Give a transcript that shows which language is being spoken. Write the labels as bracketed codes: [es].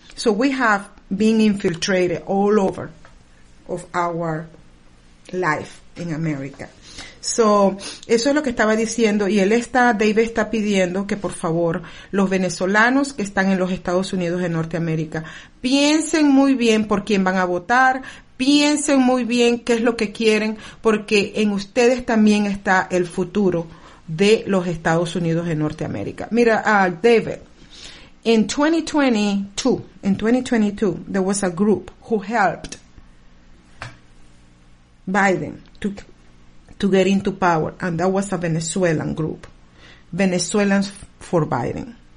[en] So we have been infiltrated all over of our life in America. [es] So, eso es lo que estaba diciendo, y David está pidiendo que por favor los venezolanos que están en los Estados Unidos de Norteamérica piensen muy bien por quién van a votar, piensen muy bien qué es lo que quieren, porque en ustedes también está el futuro de los Estados Unidos de Norteamérica. [en] Mira, David, in 2022, there was a group who helped Biden to get into power, and that was a Venezuelan group, Venezuelans for Biden.